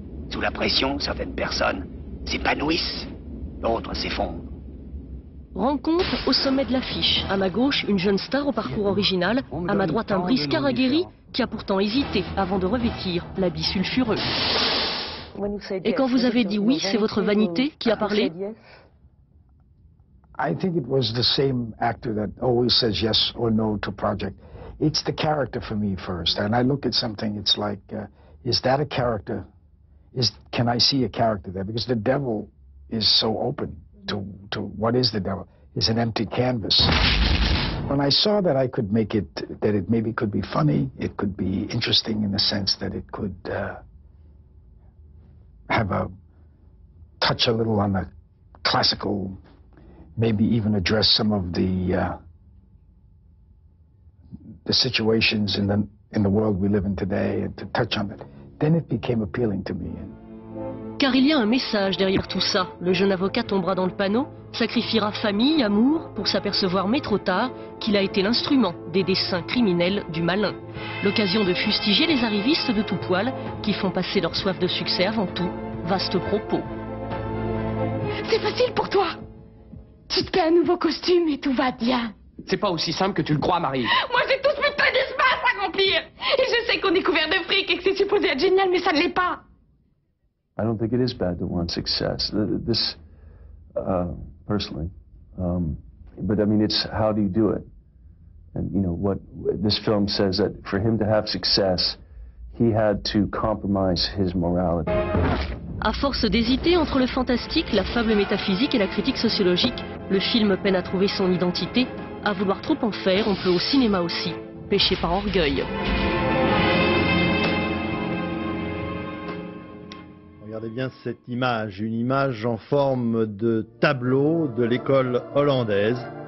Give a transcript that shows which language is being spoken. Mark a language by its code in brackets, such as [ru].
[fr] Sous la pression, certaines personnes s'épanouissent, d'autres s'effondrent. Rencontre au sommet de l'affiche. À ma gauche, une jeune star au parcours original. À ma droite, un Brice Caraguerri qui a pourtant hésité avant de revêtir l'habit sulfureux. Et quand vous avez dit oui, c'est votre vanité qui a parlé ? [en] I think it was the same actor that always says yes or no to project. It's the character for me first. And I look at something, it's like, is that a character? Can I see a character there? Because the devil is so open. To what is the devil? It's an empty canvas. When I saw that I could make it, that it maybe could be funny, it could be interesting in the sense that it could have a touch a little on a classical, maybe even address some of the situations in the world we live in today, and to touch on it, then it became appealing to me. [fr] Car il y a un message derrière tout ça. Le jeune avocat tombera dans le panneau, sacrifiera famille, amour, pour s'apercevoir, mais trop tard, qu'il a été l'instrument des desseins criminels du malin. L'occasion de fustiger les arrivistes de tout poil, qui font passer leur soif de succès avant tout. Vaste propos. C'est facile pour toi. Tu te fais un nouveau costume et tout va bien. C'est pas aussi simple que tu le crois, Marie. Moi, j'ai tous mes talismans. sais qu'on est couvert de fric et que c'est supposé être génial, mais ça ne l'est pas. [en] I don't think it is bad to want success. This, personally, but I mean, it's how do you do it? And you know what this film says that for him to have success, he had to compromise his morality. [fr] À force d'hésiter entre le fantastique, la fable métaphysique et la critique sociologique, le film peine à trouver son identité. À vouloir trop en faire, on peut au cinéma aussi pêcher par orgueil. Regardez bien cette image, une image en forme de tableau de l'école hollandaise.